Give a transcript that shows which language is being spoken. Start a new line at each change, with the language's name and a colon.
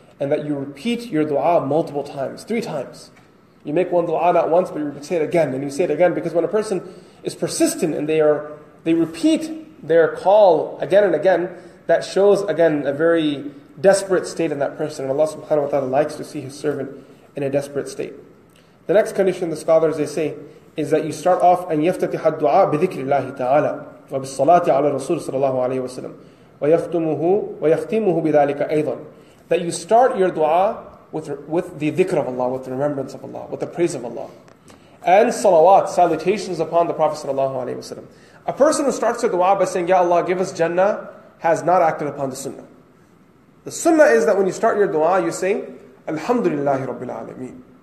English: And that you repeat your dua multiple times, three times. You make one dua not once, but you say it again, and you say it again. Because when a person is persistent and they repeat their call again and again, that shows again a very desperate state in that person. And Allah subhanahu wa ta'ala likes to see his servant in a desperate state. The next condition the scholars, they say, is that you start off and
Arabic: يفتتح الدعاء بذكر الله تعالى وبالصلاة على الرسول صلى الله عليه وسلم ويختمه بذلك أيضا.
English: That you start your dua with the dhikr of Allah, with the remembrance of Allah, with the praise of Allah. And salawat, salutations upon the Prophet sallallahu alayhi wasallam. A person who starts their dua by saying, Ya Allah, give us Jannah, has not acted upon the sunnah. The sunnah is that when you start your dua, you say, Alhamdulillahi Rabbil Alameen.